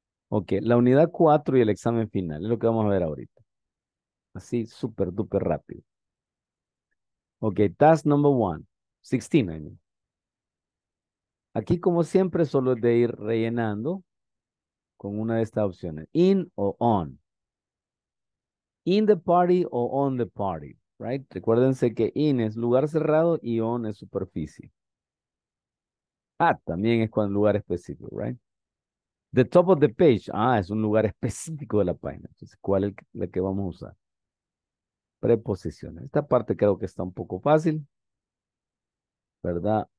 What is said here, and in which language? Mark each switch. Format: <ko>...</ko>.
<es>Ok, la unidad 4 y el examen final, es lo que vamos a ver ahorita. Así, súper, duper rápido. Ok,</es> <en>task number one, 16, I mean.</en> <es>Aquí, como siempre, solo es de ir rellenando con una de estas opciones. In o on.</es> <en>In the party o on the party, right?</en> <es>Recuérdense que in es lugar cerrado y on es superficie. At también es con lugar específico, right?</es> <en>The top of the page.</en> <es>Ah, es un lugar específico de la página. Entonces, ¿cuál es la que vamos a usar? Preposiciones. Esta parte creo que está un poco fácil, ¿verdad?</es>